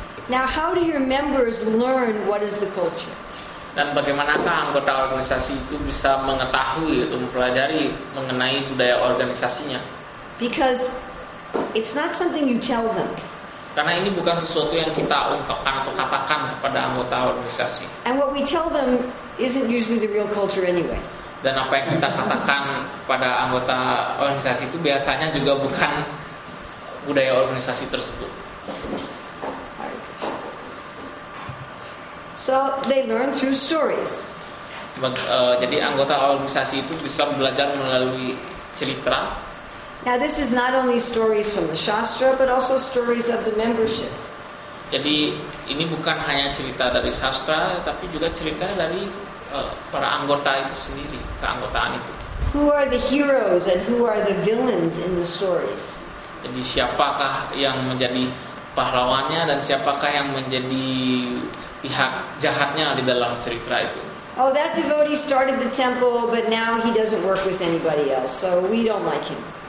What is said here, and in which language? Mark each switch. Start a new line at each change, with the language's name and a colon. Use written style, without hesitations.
English: Now, how do your members learn what is the culture?
Indonesian: Dan bagaimanakah anggota organisasi itu bisa mengetahui atau mempelajari mengenai budaya organisasinya?
English: Because it's not something you tell them.
Indonesian: Karena ini bukan sesuatu yang kita ungkapkan atau katakan kepada anggota organisasi.
English: And what we tell them isn't usually the real culture anyway.
Indonesian: Dan apa yang kita katakan kepada anggota organisasi itu biasanya juga bukan budaya organisasi tersebut.
English: So they learn through stories.
Indonesian: Jadi anggota organisasi itu bisa belajar melalui cerita.
English: Now this is not only stories from the Shastra, but also stories of the membership.
Indonesian: Jadi ini bukan hanya cerita dari Shastra, tapi juga cerita dari para anggota itu sendiri, keanggotaan itu.
English: Who are the heroes and who are the villains in the stories?
Indonesian: Jadi siapakah yang menjadi pahlawannya dan siapakah yang menjadi pihak jahatnya di dalam cerita itu?
English: Oh, that devotee started the temple, but now he doesn't work with anybody else, so we don't like him.